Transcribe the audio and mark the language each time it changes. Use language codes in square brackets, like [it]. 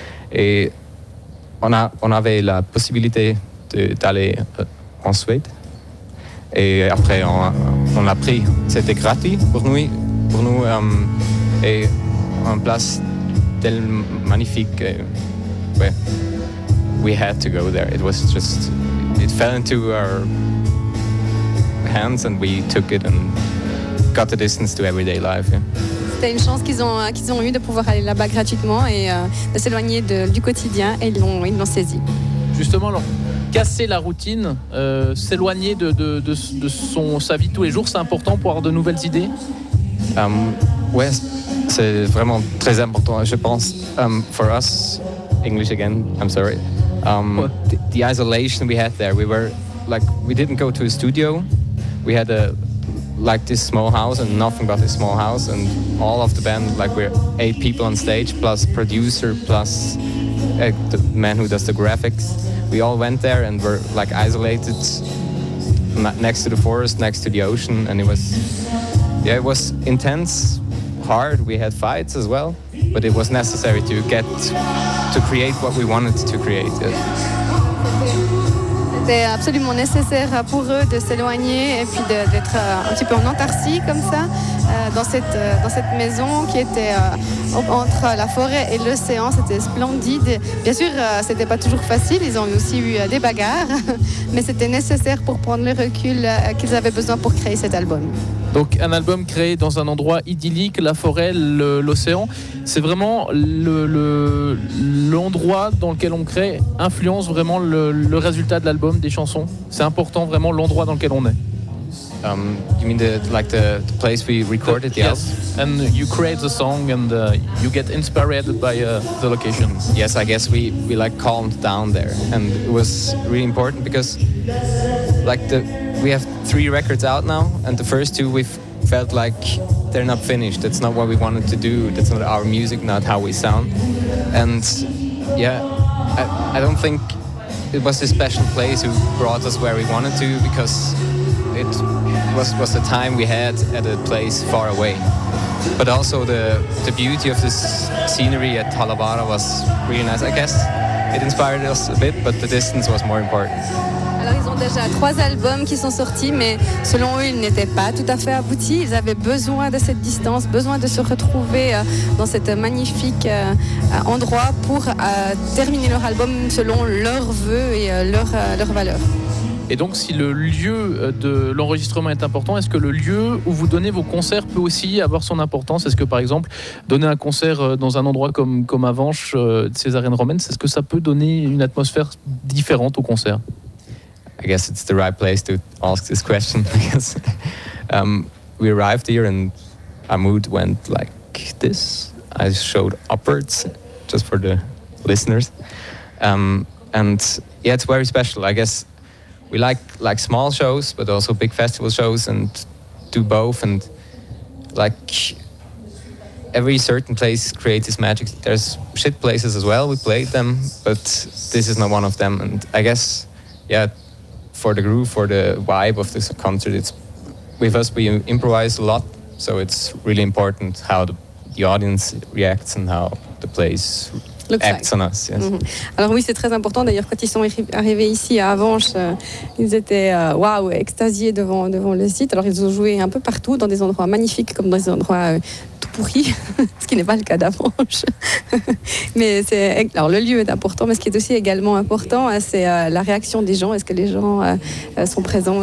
[fr] Et on avait la possibilité d'aller en Suède. Et après, on l'a pris. C'était gratuit pour nous et en place telle magnifique. [en] We had to go there. It was just, it fell into our hands and we took it and got the distance to everyday life. Yeah. [fr] C'était une chance qu'ils ont eu de pouvoir aller là-bas gratuitement et de s'éloigner du quotidien et ils l'ont saisi. Justement, alors, casser la routine, s'éloigner de sa vie de tous les jours, c'est important pour avoir de nouvelles idées. Ouais, c'est vraiment très important, je pense, [en] for us. English again, I'm sorry. The isolation we had there, we didn't go to a studio. We had this small house and nothing but this small house and all of the band, we're 8 people on stage plus producer plus the man who does the graphics. We all went there and were isolated next to the forest, next to the ocean, and it was intense, hard. We had fights as well, but it was necessary to get to create what we wanted to create. Yes. [fr] C'était absolument nécessaire pour eux de s'éloigner et puis d'être un petit peu en Antarctique comme ça, dans cette maison qui était entre la forêt et l'océan. C'était splendide. Bien sûr, c'était pas toujours facile. Ils ont aussi eu des bagarres, mais c'était nécessaire pour prendre le recul qu'ils avaient besoin pour créer cet album. Donc un album créé dans un endroit idyllique, la forêt, l'océan, c'est vraiment l'endroit dans lequel on crée influence vraiment le résultat de l'album, des chansons. C'est important vraiment l'endroit dans lequel on est. [en] You mean the place we recorded? Yes. Yes. And you create the song and you get inspired by the location. Yes, I guess we calmed down there and it was really important because we have 3 records out now, and the first 2 we've felt like they're not finished. That's not what we wanted to do. That's not our music, not how we sound. And yeah, I don't think it was a special place who brought us where we wanted to, because it was the time we had at a place far away. But also the beauty of this scenery at Alla Vara was really nice. I guess it inspired us a bit, but the distance was more important. [fr] Alors ils ont déjà 3 albums qui sont sortis, mais selon eux, ils n'étaient pas tout à fait aboutis. Ils avaient besoin de cette distance, besoin de se retrouver dans cet magnifique endroit pour terminer leur album selon leurs vœux et leurs valeurs. Et donc si le lieu de l'enregistrement est important, est-ce que le lieu où vous donnez vos concerts peut aussi avoir son importance? Est-ce que par exemple, donner un concert dans un endroit comme Avenches, ces arènes romaines, est-ce que ça peut donner une atmosphère différente au concert? [en] I guess it's the right place to ask this question because we arrived here and our mood went like this. I showed upwards just for the listeners. And yeah, it's very special. I guess we like small shows, but also big festival shows and do both. And like every certain place creates this magic. There's shit places as well. We played them, but this is not one of them. And I guess, yeah, for the groove, for the vibe of this concert, it's with us, we improvise a lot. So it's really important how the audience reacts and how the place acts on us, yes. Mm-hmm. [fr] Alors oui, c'est très important. D'ailleurs, quand ils sont arrivés ici à Avenches, ils étaient extasiés devant le site. Alors ils ont joué un peu partout, dans des endroits magnifiques comme dans des endroits tout pourris, ce qui n'est pas le cas d'Avenches. Mais c'est, alors le lieu est important, mais ce qui est aussi également important, c'est la réaction des gens. Est-ce que les gens sont présents?